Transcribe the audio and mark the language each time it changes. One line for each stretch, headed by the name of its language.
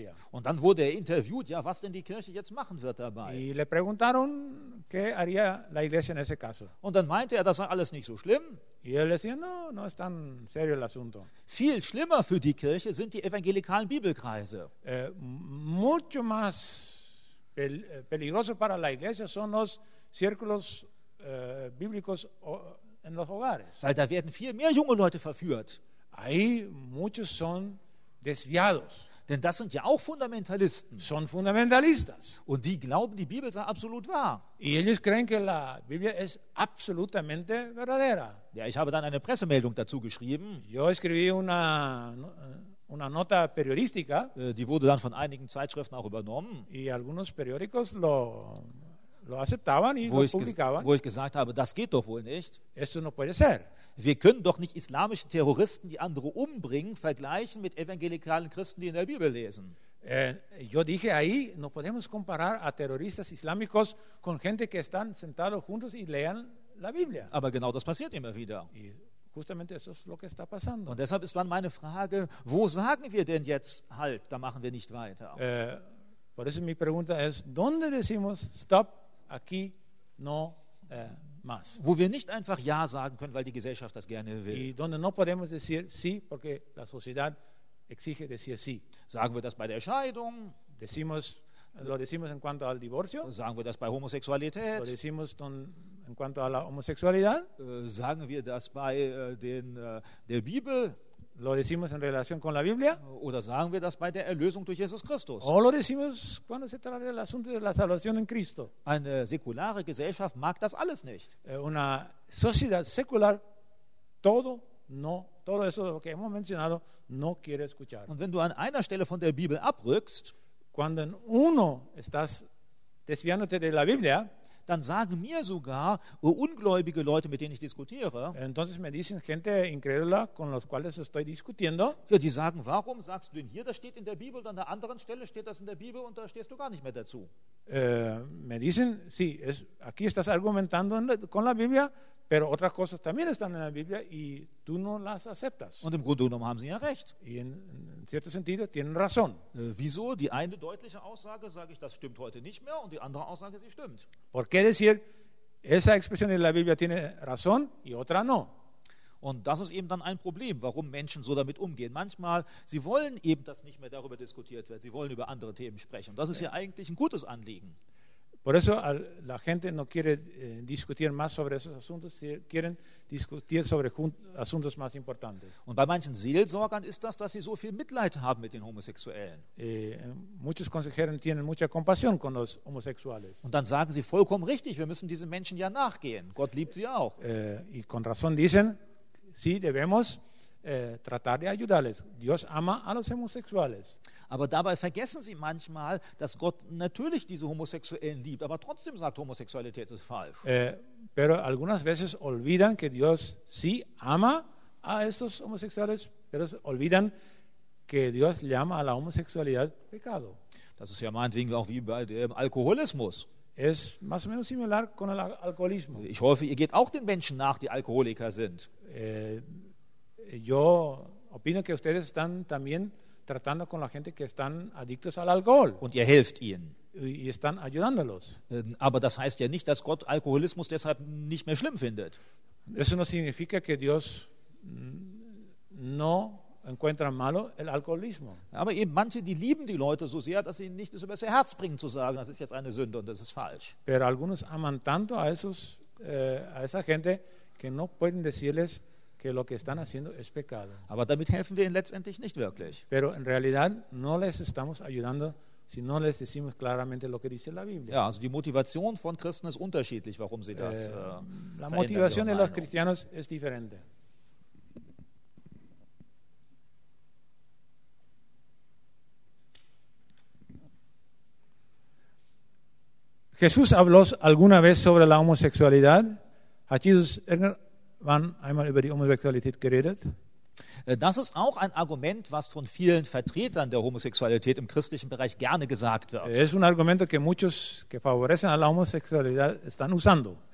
German: Und dann wurde er interviewt, ja, was denn die Kirche jetzt machen wird dabei.
Spanish: Y le preguntaron qué haría la iglesia en ese caso.
German: Und dann meinte er, das sei alles nicht so schlimm.
Spanish: Y él decía, no, no es tan serio el asunto.
German: Viel schlimmer für die Kirche sind die evangelikalen Bibelkreise.
Spanish: Mucho más peligroso para la iglesia son los círculos bíblicos en los hogares.
German: Weil da werden viel mehr junge Leute verführt.
Spanish: Ahí muchos son desviados.
German: Denn das sind ja auch Fundamentalisten.
Spanish: Son fundamentalistas.
German: Und die glauben, die Bibel sei absolut wahr.
Spanish: Y ellos creen que la Biblia es absolutamente verdadera.
German: Ja, ich habe dann eine Pressemeldung dazu geschrieben.
Spanish: Yo escribí una nota periodística.
German: Die wurde dann von einigen Zeitschriften auch übernommen.
Spanish: Y algunos periódicos lo aceptaban y lo publicaban.
German: Wo ich gesagt habe, das geht doch wohl nicht.
Spanish: Esto no puede ser.
German: Wir können doch nicht islamische Terroristen, die andere umbringen, vergleichen mit evangelikalen Christen, die in der Bibel lesen.
Spanish: Yo dije ahí, no podemos comparar a terroristas islámicos con gente que están sentados juntos y lean la Biblia.
German: Aber genau das passiert immer wieder.
Spanish: Y justamente eso es lo que está pasando.
German: Und deshalb ist dann meine Frage, wo sagen wir denn jetzt, halt, da machen wir nicht weiter?
Spanish: Por eso mi pregunta es, ¿dónde decimos stop, aquí, no, más?
German: Wo wir nicht einfach Ja sagen können, weil die Gesellschaft das gerne will.
Spanish: Y donde no podemos decir sí, porque la sociedad exige decir sí.
German: Sagen wir das bei der Scheidung?
Spanish: Lo decimos en cuanto al divorcio?
German: Sagen wir das bei Homosexualität?
Spanish: Lo decimos en cuanto a la homosexualidad?
German: Sagen wir das bei der Bibel?
Spanish: Lo decimos en relación con la Biblia?
German: Oder sagen wir das bei der Erlösung durch Jesus Christus?
Spanish: O lo decimos cuando se trata del asunto de la salvación en Cristo?
German: Eine säkulare Gesellschaft mag das alles nicht.
Spanish: Una sociedad secular todo no, todo eso lo que hemos mencionado no quiere escuchar.
German: Und wenn du an einer Stelle von der Bibel abrückst,
Spanish: cuando uno estás desviándote de la Biblia,
German: dann sagen mir sogar ungläubige Leute, mit denen ich diskutiere,
Spanish: entonces me dicen gente incrédula con los cuales estoy discutiendo,
German: ja, die sagen, warum sagst du denn hier, das steht in der Bibel, und an der anderen Stelle steht das in der Bibel und da stehst du gar nicht mehr dazu.
Spanish: Me dicen, sí, aquí estás argumentando con la Biblia, pero otras cosas también están en la Biblia y tú no las aceptas.
German: Und im Grunde genommen haben sie ja recht.
Spanish: Y en cierto sentido tienen razón.
German: Wieso? Die eine deutliche Aussage sage ich, das stimmt heute nicht mehr, und die andere Aussage, sie stimmt.
Spanish: ¿Por qué decir esa expresión de la Biblia tiene razón y otra no?
German: Und das ist eben dann ein Problem, warum Menschen so damit umgehen. Manchmal, sie wollen eben, dass nicht mehr darüber diskutiert wird. Sie wollen über andere Themen sprechen. Und das ist ja eigentlich ein gutes Anliegen.
Spanish: Por eso la gente no quiere discutir más sobre esos asuntos, quieren discutir sobre asuntos más importantes.
German: Und bei manchen Seelsorgern ist das, dass sie so viel Mitleid haben mit den Homosexuellen.
Spanish: Muchos consejeros tienen mucha compasión con los homosexuales.
German: Und dann sagen sie vollkommen richtig, wir müssen diesen Menschen ja nachgehen. Gott liebt sie auch.
Spanish: Y con razón dicen, sí, debemos tratar de ayudarles. Dios ama a los homosexuales.
German: Aber dabei vergessen sie manchmal, dass Gott natürlich diese Homosexuellen liebt, aber trotzdem sagt, Homosexualität ist falsch.
Spanish: Pero algunas veces olvidan que Dios sí ama a estos homosexuales, pero olvidan que Dios llama a la homosexualidad pecado.
German: Das ist ja meinetwegen auch wie bei dem Alkoholismus.
Spanish: Es más o menos similar con el alcoholismo.
German: Ich hoffe, ihr geht auch den Menschen nach, die Alkoholiker sind.
Spanish: Yo opino que ustedes están también tratando con la gente que están adictos al alcohol.
German: Und ihr helft ihnen.
Spanish: Y están ayudándolos.
German: Aber das heißt ja nicht, dass Gott Alkoholismus deshalb nicht mehr schlimm findet.
Spanish: Eso no significa que Dios no encuentra malo el alcoholismo.
German: Aber eben manche, die lieben die Leute so sehr, dass sie ihnen nicht das übers Herz bringen zu sagen, das ist jetzt eine Sünde und das ist falsch.
Spanish: Pero algunos aman tanto a esos a esa gente que no pueden decirles que lo que están haciendo es pecado.
German: Aber damit helfen wir ihnen letztendlich nicht wirklich.
Spanish: Pero en realidad no les estamos ayudando si no les decimos claramente lo que dice la Biblia.
German: Ja, also die Motivation von Christen ist unterschiedlich, warum sie das
Spanish: la motivación de los cristianos es diferente. Jesús habló alguna vez sobre la homosexualidad?
German: Hat Jesus wann einmal über die Homosexualität geredet? Das ist auch ein Argument, was von vielen Vertretern der Homosexualität im christlichen Bereich gerne gesagt wird.
Spanish: Es un argumento que muchos que favorecen a la homosexualidad están usando.